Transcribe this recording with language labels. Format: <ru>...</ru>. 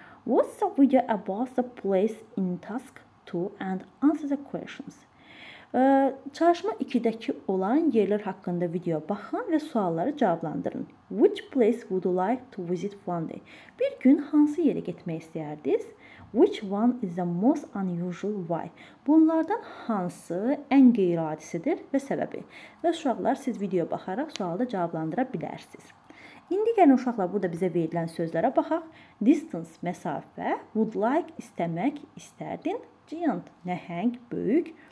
<en>What's the video about the place in task 2 and answer the questions?</en> <az>Çalışma 2-dəki olan yerlər haqqında video baxın və sualları cavablandırın.</az> <en>Which place would you like to visit one day?</en> <az>Bir gün hansı yerə getmək istəyərdiniz?</az> <en>Which one is the most unusual? Why?</en> <az>Bunlardan hansı ən qeyri-adisidir və səbəbi? Və uşaqlar siz video baxaraq sualı da cavablandıra bilərsiniz. İndi gəlin uşaqlar burada bizə verilən sözlərə baxaq. Distance, məsafə.</az> <en>Would like,</en> <az>istəmək, istərdin. Giant, nəhəng, böyük.</az>